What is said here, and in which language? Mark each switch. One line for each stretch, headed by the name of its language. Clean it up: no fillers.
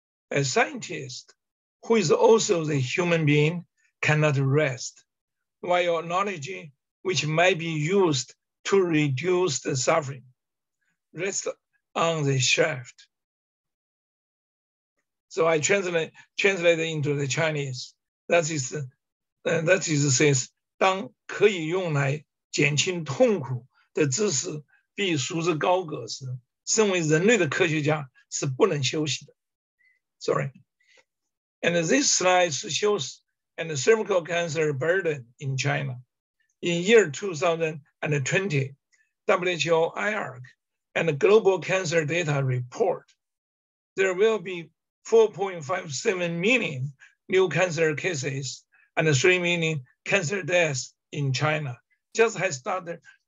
English: A scientist who is also the human being cannot rest. While knowledge which might be used to reduce the suffering rests on the shelf. So I translate it into the Chinese. That says,
Chinese: 当可以用来减轻痛苦的知识必束之高阁时, 身为人类的科学家是不能休息的.
English: Sorry. And this slide shows and the cervical cancer burden in China. In year 2020, WHO IARC and the Global Cancer Data Report, there will be 4.57 million new cancer cases and 3 million cancer deaths in China. Just as Dr.